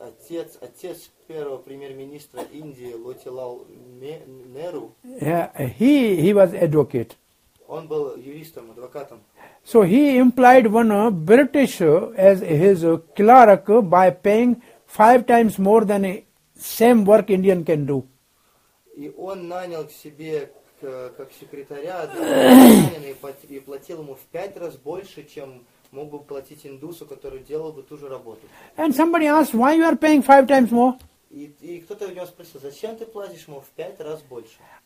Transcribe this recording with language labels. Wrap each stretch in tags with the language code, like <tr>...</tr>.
<ru>Отец первого премьер-министра Индии Мотилал Нехру.</ru> <en>Yeah, he was advocate.</en> <ru>Он был юристом, адвокатом.</ru> <en>So he employed one British as his clerk by paying five times more than the same work Indian can do.</en> <ru>И он нанял к себе как секретаря одного и платил ему в пять раз больше, чем мог бы платить индусу, который делал бы ту же работу.</ru> <en>And somebody asked, why you are paying five times more?</en> <ru>И кто-то у него спросил, зачем ты платишь ему в пять раз больше?</ru>